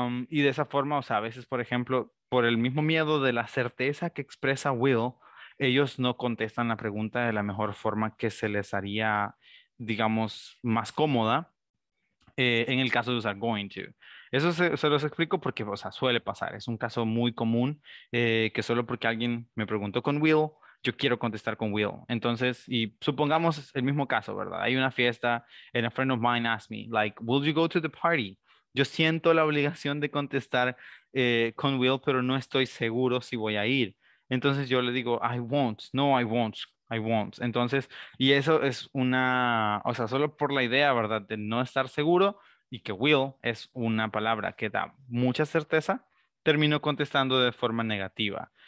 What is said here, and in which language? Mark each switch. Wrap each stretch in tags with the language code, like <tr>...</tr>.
<es>Y de esa forma, o sea, a veces, por ejemplo, por el mismo miedo de la certeza que expresa will, ellos no contestan la pregunta de la mejor forma que se les haría, digamos, más cómoda. En el caso de usar going to. Eso se los explico porque, o sea, suele pasar. Es un caso muy común que solo porque alguien me preguntó con will, yo quiero contestar con will. Entonces, y supongamos el mismo caso, ¿verdad? Hay una fiesta</es> <en>and a friend of mine asked me, like, will you go to the party?</en> <es>Yo siento la obligación de contestar con will, pero no estoy seguro si voy a ir. Entonces yo le digo,</es> <en>I won't. No, I won't. I won't.</en> <es>Entonces, y eso es una, o sea, solo por la idea, ¿verdad?, de no estar seguro y que will es una palabra que da mucha certeza, termino contestando de forma negativa.</es>